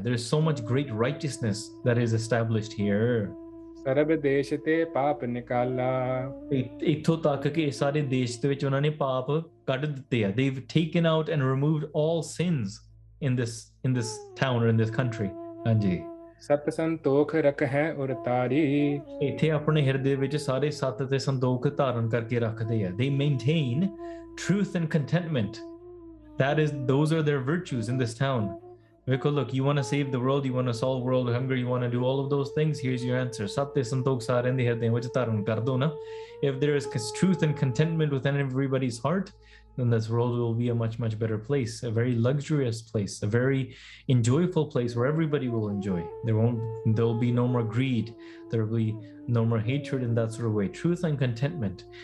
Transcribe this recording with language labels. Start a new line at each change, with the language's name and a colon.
English: There is so much great righteousness that is established here.
Punjabi: ਸਰਬ ਦੇਸ਼ ਤੇ ਪਾਪ ਨਿਕਾਲਾ ਇੱਥੋਂ ਤੱਕ ਕਿ ਇਹ ਸਾਰੇ ਦੇਸ਼ ਦੇ ਵਿੱਚ ਉਹਨਾਂ ਨੇ ਪਾਪ ਕੱਢ ਦਿੱਤੇ ਆ
English: they taken out and removed all sins in this town or in this country
Punjabi: ਹਾਂਜੀ ਸਤ ਸੰਤੋਖ ਰਖ ਹੈ ਉਰ ਤਾਰੀ ਇੱਥੇ ਆਪਣੇ ਹਿਰਦੇ ਵਿੱਚ ਸਾਰੇ ਸਤ ਤੇ ਸੰਤੋਖ ਧਾਰਨ ਕਰਕੇ ਰੱਖਦੇ ਆ
English: They maintain truth and contentment that is those are their virtues in this town Because look, you want to save the world, you want to solve world hunger, you want to do all of those things, here's your answer.
Punjabi: Satya santokh sarendi hirdein vich taran kar do na.
English: If there is truth and contentment within everybody's heart, then this world will be a much, much better place, a very luxurious place, a very enjoyable place where everybody will enjoy. There'll be no more greed, there'll be no more hatred in that sort of way. Truth and contentment.